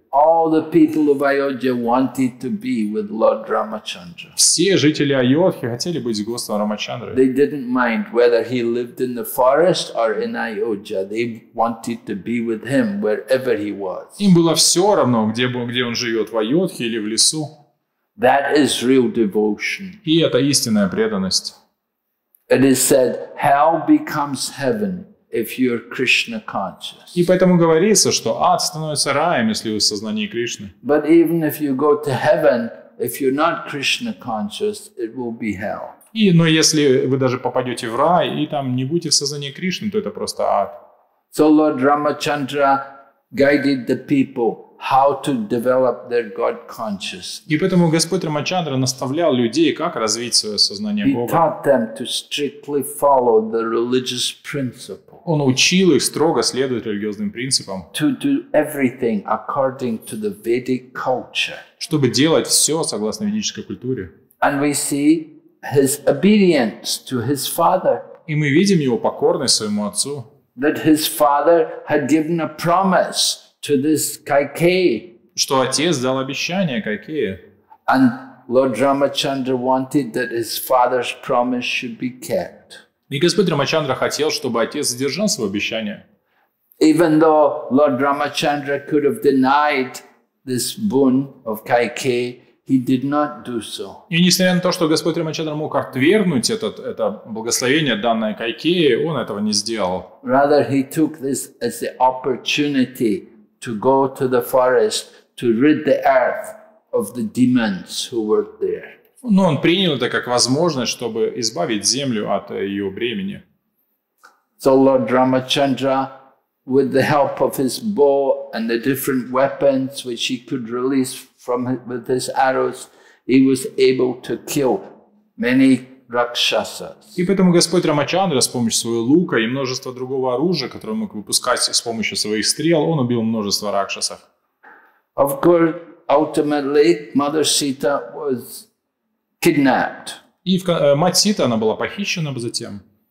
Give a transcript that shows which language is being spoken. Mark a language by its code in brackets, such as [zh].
[en] All the people of Ayodhya wanted to be with Lord Ramachandra. [ru] Все жители Айодхи хотели быть с Господом Рамачандрой. [en] They didn't mind whether he lived in the forest or in Ayodhya. They wanted to be with him wherever he was. [ru] Им было все равно, где он живет, в Айодхи или в лесу. [en] That is real devotion. [ru] И это истинная преданность. [en] It is said, hell becomes heaven if you are Krishna conscious. [ru] И поэтому говорится, что ад становится раем, если вы в сознании Кришны. [en] But even if you go to heaven, if you're not Krishna conscious, it will be hell. [ru] Но если вы даже попадете в рай и там не будете в сознании Кришны, то это просто ад. [en] So Lord Ramachandra guided the people. How to develop their God consciousness. [ru] И поэтому Господь Рамачандра наставлял людей, как развить свое сознание Бога. [en] He taught them to strictly follow the religious principle. [ru] Он учил их строго следовать религиозным принципам. [en] To do everything according to the Vedic culture. [ru] Чтобы делать все согласно ведической культуре. [en] And we see his obedience to his father. [ru] И мы видим его покорность своему отцу. [en] That his father had given a promise. To this Kaikeyi. [ru] Что отец дал обещание Кайкее. [en] And Lord Ramachandra wanted that his father's promise should be kept. [ru] И Господь Рамачандра хотел, чтобы отец сдержал свое обещание. [en] Even though Lord Ramachandra could have denied this boon of Kaikeyi, he did not do so. [ru] И несмотря на то, что Господь Рамачандра мог отвергнуть это благословение, данное Кайкее, он этого не сделал. [en] Rather, he took this as the opportunity. To go to the forest to rid the earth of the demons who were there. [ru] Но он принял это как возможность, чтобы избавить землю от ее бремени. [en] So Lord Ramachandra, with the help of his bow and the different weapons which he could release from with his arrows, he was able to kill many ракшасас. [ru] И поэтому Господь Рамачандра с помощью своего лука и множества другого оружия, которое он мог выпускать с помощью своих стрел, он убил множество ракшасов. [en] Of course, ultimately, Mother Sita was kidnapped. [ru] И мать Сита, она была похищена затем.